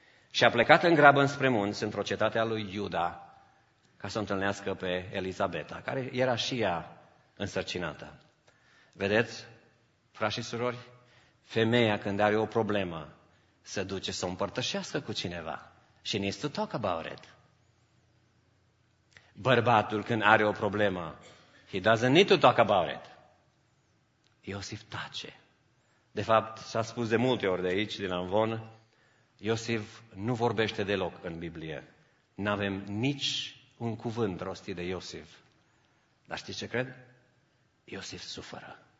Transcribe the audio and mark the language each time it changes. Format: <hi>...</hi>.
<ro>Și a plecat în grabă înspre munți, într-o cetate a lui Iuda, ca să întâlnească pe Elisabeta, care era și ea însărcinată. Vedeți, frași și surori, femeia când are o problemă, se duce să o împărtășească cu cineva.</ro> <en>She needs to talk about it.</en> <ro>Bărbatul când are o problemă,</ro> <en>he doesn't need to talk about it.</en> <ro>Iosif tace. De fapt, s-a spus de multe ori de aici, din Amvon, Iosif nu vorbește deloc în Biblie. N-avem nici un cuvânt rostit de Iosif. Dar știți ce cred? Iosif suferă.</ro>